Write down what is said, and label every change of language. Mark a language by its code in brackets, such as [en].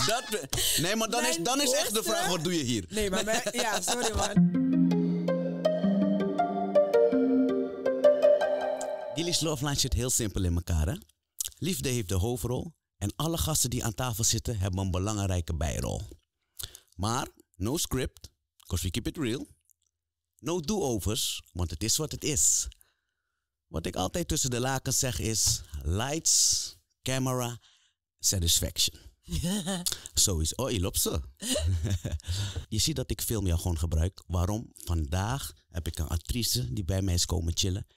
[nl] Dat, nee, maar dan, dan is echt de vraag, wat doe je hier? Nee, maar ja, sorry, man. Gilly's Love Line zit heel simpel in elkaar, hè? Liefde heeft de hoofdrol. En alle gasten die aan tafel zitten, hebben een belangrijke bijrol. Maar, [en] no script, because we keep it real. No do-overs, [nl] want het is wat het is. Wat ik altijd tussen de lakens zeg is, [en] lights, camera, satisfaction. [nl] Zo is, oh, je loopt ze. Je ziet dat ik film jou gewoon gebruik. Waarom? Vandaag heb ik een actrice die bij mij is komen chillen.